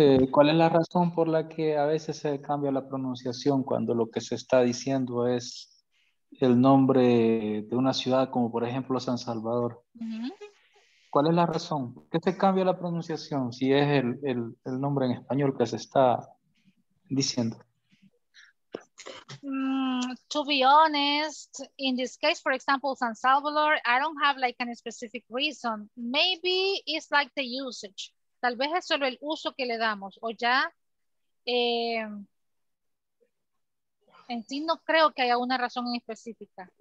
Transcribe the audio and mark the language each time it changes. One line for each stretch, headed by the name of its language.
Spanish: ¿Cuál es la razón por la que a veces se cambia la pronunciación cuando lo que se está diciendo es el nombre de una ciudad, como por ejemplo San Salvador? Mm-hmm. ¿Cuál es la razón? ¿Por qué se cambia la pronunciación si es el nombre en español que se está diciendo?
English: To be honest, in this case, for example, San Salvador, I don't have like a specific reason. Maybe it's like the usage.
Spanish: Tal vez es solo el uso que le damos. O ya, en sí no creo que haya una razón en específica.